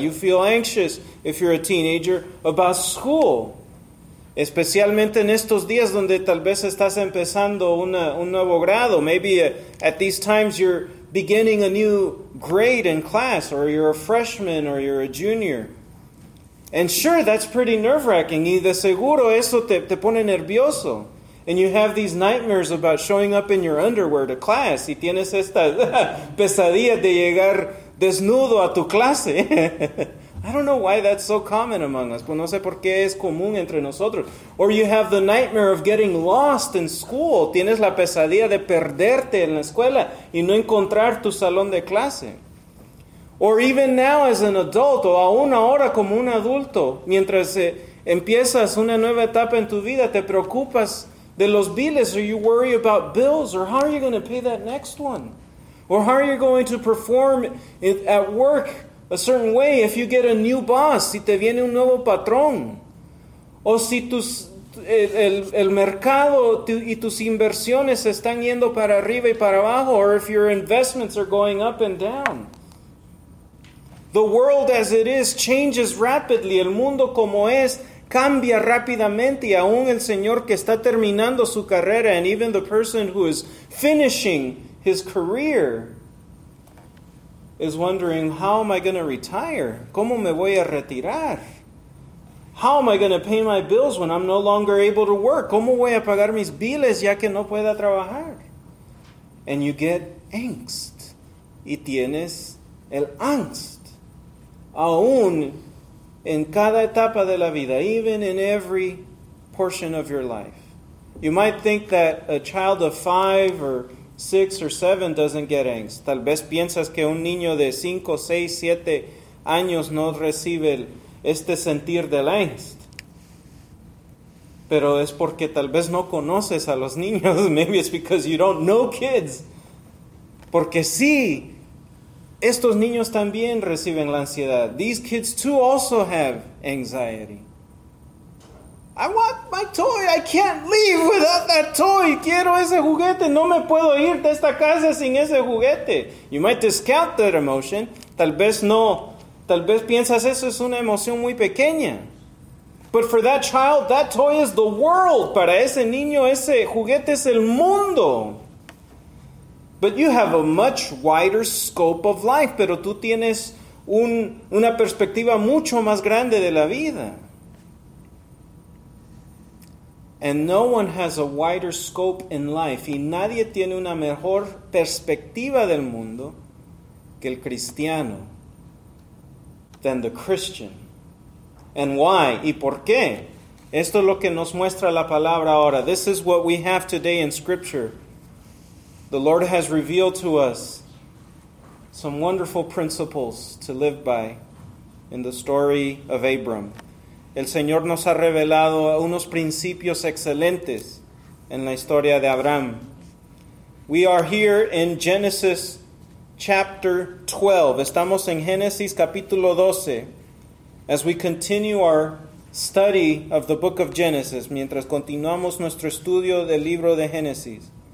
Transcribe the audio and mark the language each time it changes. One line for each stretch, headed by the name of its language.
English: You feel anxious if you're a teenager about school.
Spanish: Especialmente en estos días donde tal vez estás empezando un nuevo grado.
English: Maybe at these times you're beginning a new grade in class, or you're a freshman, or you're a junior. And sure, that's pretty nerve-wracking.
Spanish: Y de seguro eso te pone nervioso.
English: And you have these nightmares about showing up in your underwear to class.
Spanish: Y tienes esta pesadilla de llegar desnudo a tu clase.
English: I don't know why that's so common among us.
Spanish: Pues no sé por qué es común entre nosotros.
English: Or you have the nightmare of getting lost in school.
Spanish: Tienes la pesadilla de perderte en la escuela y no encontrar tu salón de clase.
English: Or even now as an adult,
Spanish: o aún ahora como un adulto, mientras empiezas una nueva etapa en tu vida, te preocupas de los biles,
English: or you worry about bills, or how are you going to pay that next one? Or how are you going to perform at work a certain way, if you get a new boss,
Spanish: si te viene un nuevo patrón, o si el mercado y tus inversiones están yendo para arriba y para abajo,
English: or if your investments are going up and down. The world as it is changes rapidly.
Spanish: El mundo como es cambia rápidamente, y aún el señor que está terminando su carrera,
English: and even the person who is finishing his career, is wondering, how am I going to retire?
Spanish: ¿Cómo me voy a retirar?
English: How am I going to pay my bills when I'm no longer able to work?
Spanish: ¿Cómo voy a pagar mis biles ya que no pueda trabajar?
English: And you get angst.
Spanish: Y tienes el angst. Aún en cada etapa de la vida,
English: even in every portion of your life. You might think that a child of 5 or 6 or 7 doesn't get angst.
Spanish: Tal vez piensas que un niño de 5, 6, 7 años no recibe este sentir del angst. Pero es porque tal vez no conoces a los niños.
English: Maybe it's because you don't know kids.
Spanish: Porque sí, estos niños también reciben la ansiedad.
English: These kids too also have anxiety. I want my toy. I can't leave without that toy.
Spanish: Quiero ese juguete. No me puedo ir de esta casa sin ese juguete.
English: You might discount that emotion.
Spanish: Tal vez no. Tal vez piensas eso es una emoción muy pequeña.
English: But for that child, that toy is the world.
Spanish: Para ese niño, ese juguete es el mundo.
English: But you have a much wider scope of life.
Spanish: Pero tú tienes una perspectiva mucho más grande de la vida.
English: And no one has a wider scope in life.
Spanish: Y nadie tiene una mejor perspectiva del mundo que el cristiano.
English: Than the Christian. And why?
Spanish: ¿Y por qué? Esto es lo que nos muestra la palabra ahora.
English: This is what we have today in Scripture. The Lord has revealed to us some wonderful principles to live by in the story of Abram.
Spanish: El Señor nos ha revelado unos principios excelentes en la historia de Abraham.
English: We are here in Genesis chapter 12.
Spanish: Estamos en Génesis capítulo 12.
English: As we continue our study of the book of Genesis,
Spanish: mientras continuamos nuestro estudio del libro de Génesis.